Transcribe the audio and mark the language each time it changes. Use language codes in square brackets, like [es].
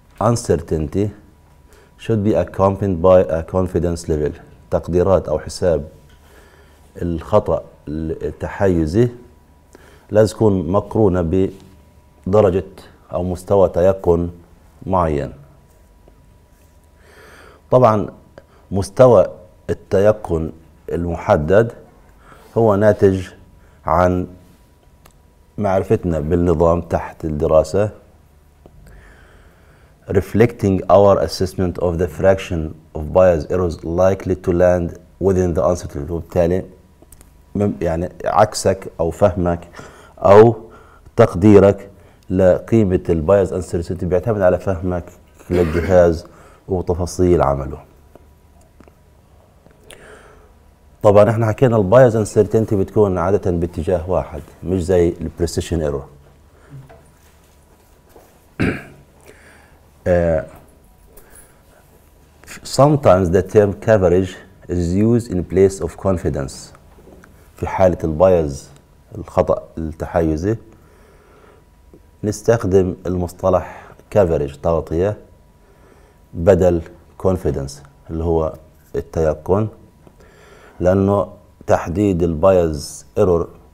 [en] uncertainty should be accompanied by a confidence level. [ar] تقديرات أو حساب الخطأ التحيزي لازم تكون مقرونة بدرجة أو مستوى تيقن معين. طبعا مستوى التيقن المحدد هو ناتج عن معرفتنا بالنظام تحت الدراسة, [en] reflecting our assessment of the fraction of bias errors likely to land within the uncertainty. [ar] وبالتالي يعني عكسك أو فهمك أو تقديرك لقيمة البايز uncertainty بيعتمد على فهمك للجهاز وتفاصيل عمله. طبعا احنا حكينا البايز uncertainty بتكون عادة باتجاه واحد مش زي البريسيشن ايرور. [en] Sometimes the term coverage is used in place of confidence. [ar] في حالة البايز الخطأ التحيزي نستخدم المصطلح coverage تغطية بدل confidence اللي هو التيقن, لأنه تحديد البايز ايرور